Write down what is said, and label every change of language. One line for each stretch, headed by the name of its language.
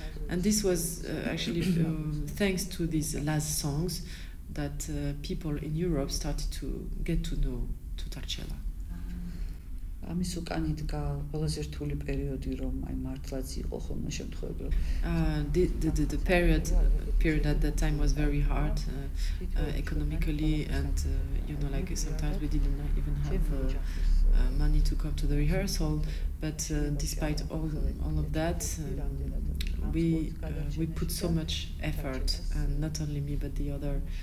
English: And this was actually thanks to these Laz songs that people in Europe started to get to know Tarcela.
Georgian: ამის უკან იდგა ყველაზე რთული პერიოდი რომ აი მართლაც იყო ხოლმე შემთხვევები.
English: The period at that time was very hard economically and you know like sometimes we didn't even have money to come to the rehearsal but despite all of that we put so much effort and not only me but the other